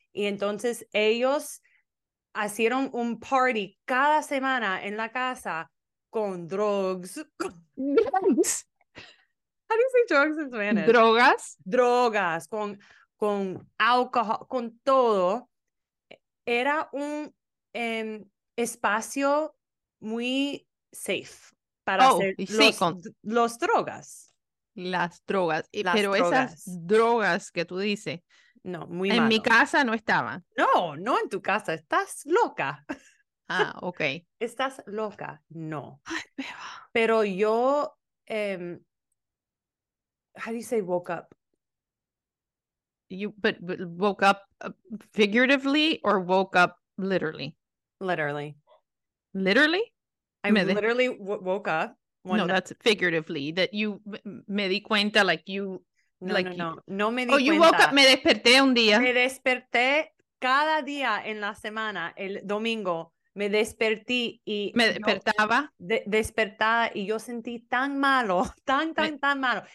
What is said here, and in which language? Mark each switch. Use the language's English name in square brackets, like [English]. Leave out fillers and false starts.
[Spanish] y entonces ellos hicieron un party cada semana en la casa con drugs. [English] How do you say drugs in Spanish? [Spanish] Drogas con alcohol con todo. Era un espacio muy safe para hacer los drogas. Las drogas. Pero esas drogas que tú dices. No, muy malo. En mi casa no estaban. No, no en tu casa. Estás loca. Ah, ok. Estás loca. No. Ay, beba. Pero yo, [English] how do you say woke up? You but woke up figuratively or woke up literally? Literally. Literally? I literally woke up. That's figuratively that you [Spanish] me di cuenta [English] like you. No, like, [Spanish] no, no. No me di [English] oh, [Spanish] cuenta. [English] Oh, you woke up. [Spanish] Me desperté un día. Me desperté cada día en la semana, el domingo. Me desperté y me despertaba. No, despertaba y yo sentí tan malo, tan malo.